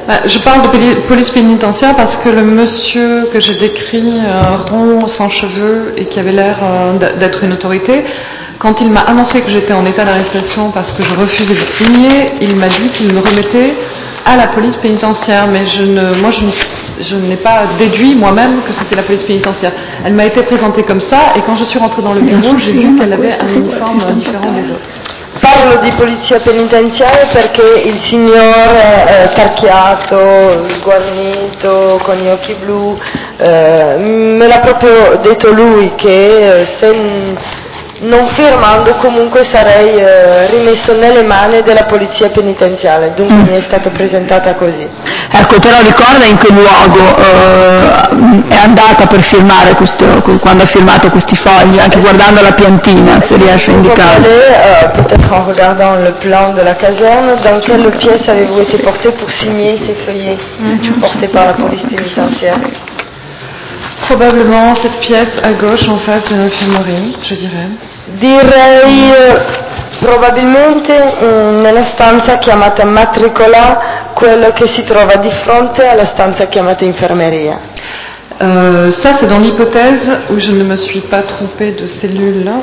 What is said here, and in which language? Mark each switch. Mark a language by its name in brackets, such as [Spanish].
[French] Bah, je parle de police pénitentiaire parce que le monsieur que j'ai décrit, rond, sans cheveux et qui avait l'air d'être une autorité, quand il m'a annoncé que j'étais en état d'arrestation parce que je refusais de signer, il m'a dit qu'il me remettait à la police pénitentiaire, mais je n'ai pas déduit moi-même que c'était la police pénitentiaire. Elle m'a été présentée comme ça, et quand je suis rentrée dans le bureau, j'ai vu qu'elle avait un uniforme différent des autres. [Italian] Parlo di polizia penitenziaria perché il signore tarchiato, sguarnito, con gli occhi blu, me l'ha proprio detto lui che se non firmando comunque sarei rimesso nelle mani della polizia penitenziale, dunque mi è stata presentata così. Ecco, però ricorda in che luogo è andata per firmare questo, quando ha firmato questi fogli, anche guardando la piantina, se riesce a indicare. [French] Peut-être en regardant le plan de la caserne, dans quelle pièce avez-vous été porté pour signer ces feuillets portés par la police pénitentiaire? Probablement cette pièce à gauche en face de l'infirmerie, je dirais. [Italian] Direi probabilmente nella stanza chiamata matricola, quello che si trova di fronte alla stanza chiamata infermeria. [French] Ça c'est dans l'hypothèse où je ne me suis pas trompée de cellule.